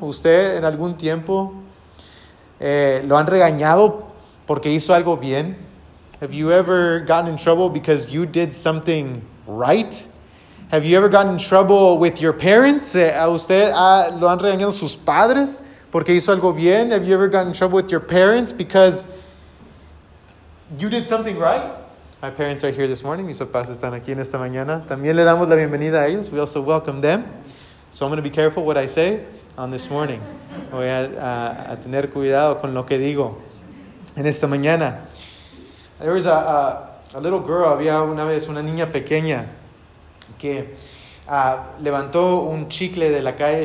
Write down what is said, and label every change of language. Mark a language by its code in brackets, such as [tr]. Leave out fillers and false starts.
[es] ¿Usted en algún tiempo lo han regañado porque hizo algo bien? [en] Have you ever gotten in trouble because you did something right? Have you ever gotten in trouble with your parents? [es] ¿A usted lo han regañado sus padres porque hizo algo bien? [en] Have you ever gotten in trouble with your parents because you did something right? My parents are here this morning. [es] Mis papás están aquí en esta mañana. También le damos la bienvenida a ellos. [en] We also welcome them. So I'm going to be careful what I say on this morning. [es] Voy a tener cuidado con lo que digo en esta mañana. [en] There was a little girl. [es] Había una vez una niña pequeña que levantó un chicle de la calle.